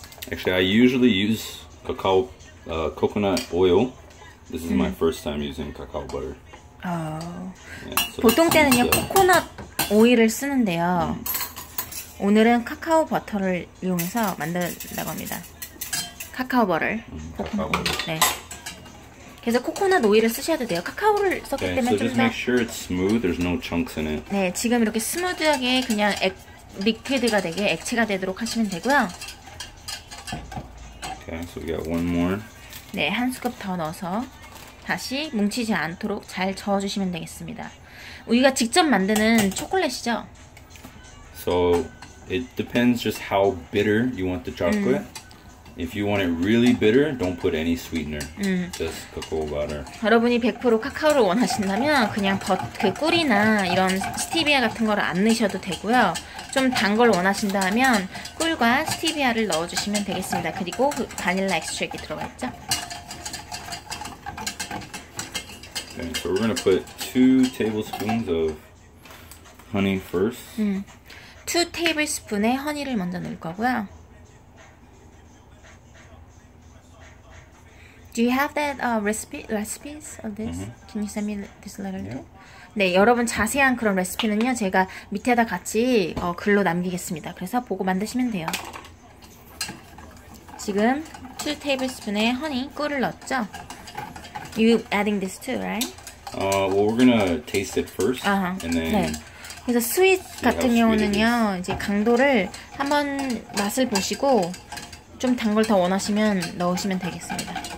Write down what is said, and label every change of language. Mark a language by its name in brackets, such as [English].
[English] Actually, I usually use cacao coconut oil. This is my first time using cacao butter. [Korean] So 보통 때는요 코코넛 오일을 쓰는데요. 오늘은 카카오 버터를 이용해서 만든다고 합니다. 카카오 버터를. 카카오 버터. 네. 그래서 코코넛 오일을 쓰셔도 돼요. 카카오를 썼기 때문에 좀 더. [English] Just make sure it's smooth. There's no chunks in it. [Korean] 네, 지금 이렇게 스무드하게 그냥 리퀴드가 되게 액체가 되도록 하시면 되고요. [English] Okay, so we got one more. [Korean] 네, 한 스쿱 더 넣어서 다시 뭉치지 않도록 잘 저어주시면 되겠습니다. 우리가 직접 만드는 초콜릿이죠? [English] So it depends just how bitter you want the chocolate. If you want it really bitter, don't put any sweetener. Just cocoa butter. [Korean] 여러분이 100% 카카오를 원하신다면 그냥 그 꿀이나 이런 스티비아 같은 걸 안 넣으셔도 되고요. 좀 단 걸 원하신다면 꿀과 스티비아를 넣어주시면 되겠습니다. 그리고 그 바닐라 엑스트랙이 들어가 있죠. [English] Okay, so we're gonna put 2 tablespoons of honey first. [Korean] 2 테이블스푼의 허니를 먼저 넣을 거고요. [English] Do you have that recipes of this? Can you send me this letter too? [Korean] 네, 여러분 자세한 그런 레시피는요 제가 밑에다 같이 글로 남기겠습니다. 그래서 보고 만드시면 돼요. 지금 2 tablespoons의 honey 꿀을 넣었죠. [English] You adding this too, right? Well, we're gonna taste it first, and then [Korean] 그래서 스윗 같은 경우는요, 이제 강도를 한번 맛을 보시고 좀 단 걸 더 원하시면 넣으시면 되겠습니다.